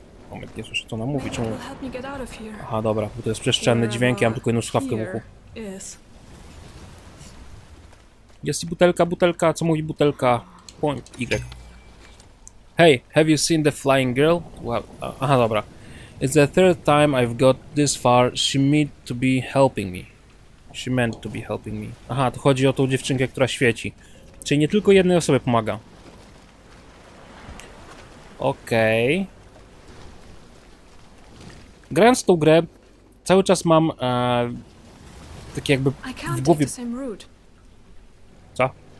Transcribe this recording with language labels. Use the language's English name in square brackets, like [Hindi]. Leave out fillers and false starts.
[Polish] Moment, nie słyszę, co ona mówi, czemu... Aha, dobra, bo to jest przestrzenny dźwięk, ja mam tylko jedną słuchawkę w uchu. Jest i butelka, butelka, co mówi butelka? [English] Point Y. Hey, have you seen the flying girl? Well, [Polish] aha, dobra. [English] It's the third time I've got this far, she meant to be helping me. She meant to be helping me. [Polish] Aha, to chodzi o tą dziewczynkę, która świeci. Czyli nie tylko jednej osobie pomaga. Okej. Okay. Grając tą grę, cały czas mam... takie jakby w głowie... Co?